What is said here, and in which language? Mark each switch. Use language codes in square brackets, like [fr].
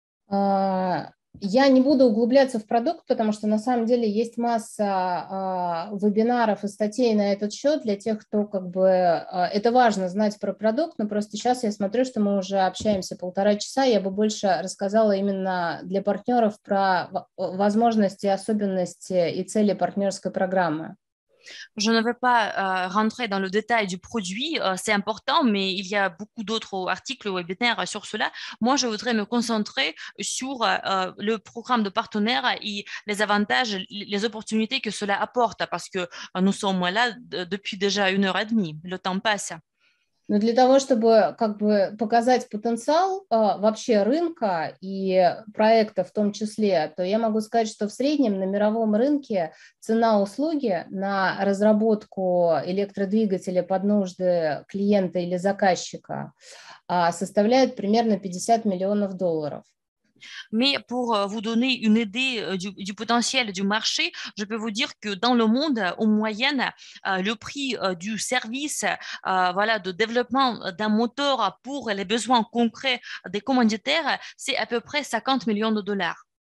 [ru] Я не буду углубляться в продукт, потому что на самом деле есть масса вебинаров и статей на этот счет для тех, кто как бы это важно знать про продукт, но просто сейчас я смотрю, что мы уже общаемся полтора часа, я бы больше рассказала именно для партнеров про возможности, особенности и цели партнерской программы. [fr] Je ne vais pas rentrer dans le détail du produit, c'est important, mais il y a beaucoup d'autres articles webinaires sur cela. Moi, je voudrais me concentrer sur le programme de partenaires et les avantages, les opportunités que cela apporte, parce que nous sommes là depuis déjà une heure et demie, le temps passe. [ru] Но для того, чтобы как бы показать потенциал вообще рынка и проекта в том числе, то я могу сказать, что в среднем на мировом рынке цена услуги на разработку электродвигателя под нужды клиента или заказчика составляет примерно 50 миллионов долларов. [fr] Mais pour vous donner une idée du potentiel du marché, je peux vous dire que dans le monde, en moyenne, le prix du service voilà, de développement d'un moteur pour les besoins concrets des commanditaires, c'est à peu près 50 millions de dollars.